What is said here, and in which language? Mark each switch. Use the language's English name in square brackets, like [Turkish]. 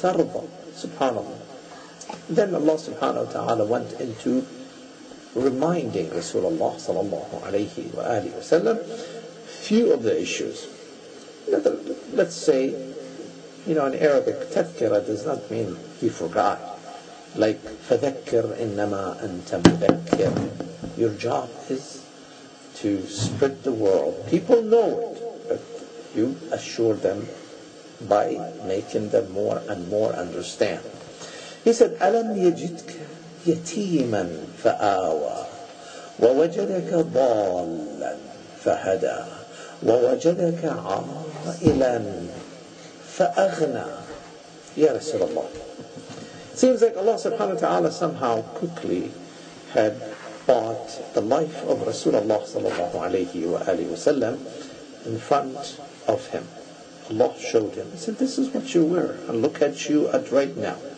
[English] Fatarba, subhanAllah. Then Allah subhanahu wa ta'ala went into reminding Rasulullah sallallahu alayhi wa alihi wa sallam few of the issues. Let's say, you know, in Arabic, tadhkira does not mean he forgot. Like, [Arabic] فَذَكِّرْ إِنَّمَا أَنْتَ مُذَكِّرْ. [English] Your job is to spread the world. People know it, but you assure them by making them more and more understand. He said, [Arabic] أَلَمْ يَجِدْكَ يَتِيمًا فَآوَى وَوَجَدَكَ ضَالًا فَهَدَى وَوَجَدَكَ عَائِلًا فَأَغْنَى. Ya Rasulullah. [English] Seems like Allah subhanahu wa ta'ala somehow quickly had bought the life of Rasulullah sallallahu alayhi wa alayhi wa sallam in front of him. Allah showed him. He said, this is what you were, and look at you at right now.